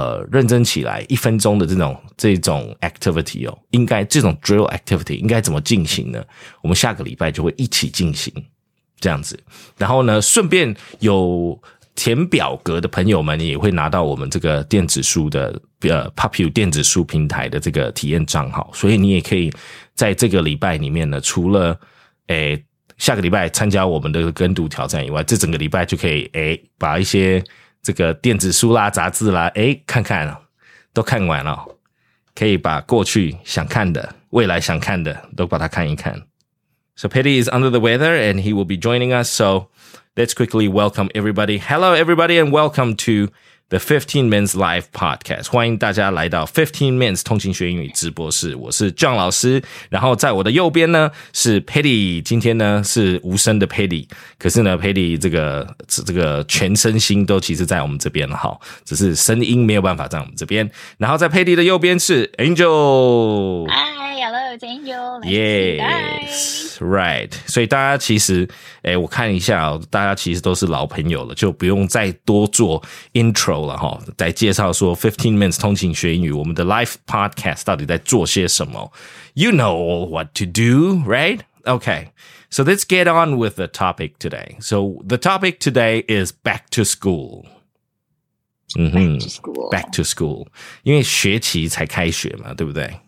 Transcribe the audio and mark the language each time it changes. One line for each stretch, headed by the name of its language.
Chinese: 认真起来一分钟的这种 activity 哦，应该这种 drill activity 应该怎么进行呢，我们下个礼拜就会一起进行这样子，然后呢顺便有填表格的朋友们也会拿到我们这个电子书的Popu 电子书平台的这个体验账号，所以你也可以在这个礼拜里面呢除了诶下个礼拜参加我们的跟读挑战以外，这整个礼拜就可以诶把一些这个电子书啦杂志啦诶看看都看完了，可以把过去想看的未来想看的都把它看一看。
English: So Petty is under the weather and he will be joining us, so let's quickly welcome everybody. Hello everybody and welcome to the 15 Minutes Live Podcast.
Chinese: 欢迎大家来到15 Minutes 通勤学英语直播室，我是 John 老师，然后在我的右边呢是 Paddy， 今天呢是无声的 Paddy， 可是呢 Paddy 这个全身心都其实在我们这边了，只是声音没有办法在我们这边，然后在 Paddy 的右边是 Angel。
English: Hi, hello, it's Angel.
Chinese: Yes, right. 所以大家其实我看一下大家其实都是老朋友了，就不用再多做 intro 了，再介绍说15 Minutes 通勤学英语我们的 live podcast 到底在做些什么。
English: You know what to do, right? Okay. So let's get on with the topic today. So the topic today is back to school. Back to school. Back to school.
Chinese: 因为学期才开学嘛，对不对?